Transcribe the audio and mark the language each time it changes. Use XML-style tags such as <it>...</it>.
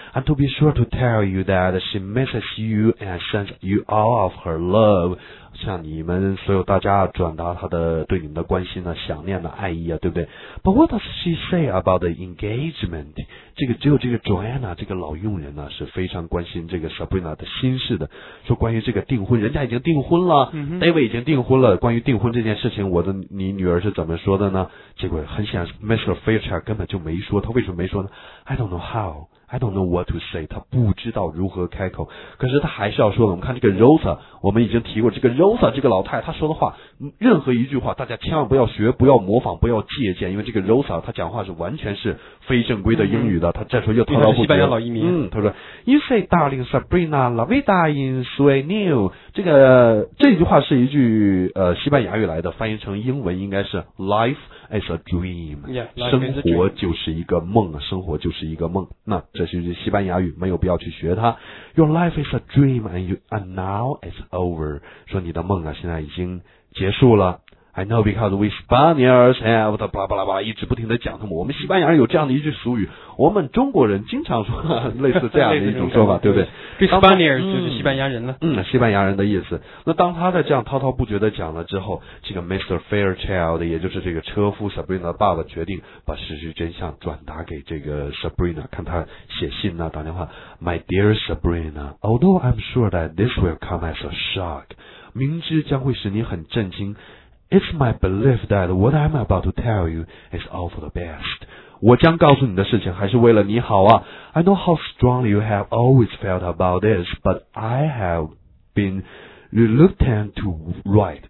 <en>And to be sure to tell you that she misses you and sends you all of her love.</en> <zh>向你们所有大家转达他的对你们的关心啊、想念啊、爱意啊，对不对？</zh> <en>But what does she say about the engagement?</en> <zh>这个只有这个 Joanna 这个老佣人呢、啊、是非常关心这个 Sabrina 的心事的，说关于这个订婚，人家已经订婚了、David 已经订婚了，关于订婚这件事情，你女儿是怎么说的呢？结果很显然 Mr. Fairchild 根本就没说，他为什么没说呢？</zh> <en>I don't know what to say,</en> <zh>他不知道如何开口，可是他还是要说的。我们看这个 Rosa， 我们已经提过这个 Rosa 这个老太，她说的话任何一句话大家千万不要学，不要模仿，不要借鉴，因为这个 Rosa 她讲话是完全是非正规的英语的，她这时候又滔滔不绝。西班牙老移民，她说</zh> <en>You say darling Sabrina</en> <es>la vida in sueño，</es> <zh>这句话是一句西班牙语来的，翻译成英文应该是</zh> <en>Life is a dream，</en> <zh>生活就是一个梦，生活就是一个梦。那这是西班牙语，没有必要去学它。</zh> <en>Your life is a dream and now it's over.</en> <zh>说你的梦啊，现在已经结束了。</zh> <en>I know because we Spaniards have the blah blah</en> <zh>blah， 一直不停的讲他们。我们西班牙人有这样的一句俗语，我们中国人经常说类似这样的一种说法，对不对？ Spaniards 就是西班牙人了。西班牙人的意思。那当他在这样滔滔不绝的讲了之后，这个 Mr. Fairchild， 也就是这个车夫 Sabrina 的爸爸，决定把事实真相转达给这个 Sabrina， 看他写信呢、啊，打电话。</zh> <en>My dear Sabrina， although I'm sure that this will come as a shock，</en> <zh>明知将会使你很震惊。</zh> <en>It's my belief that what I'm about to tell you is all for the best。</en> <zh>我将告诉你的事情还是为了你好啊。</zh> <en>I know how strongly you have always felt about this, but I have been reluctant to write。</en>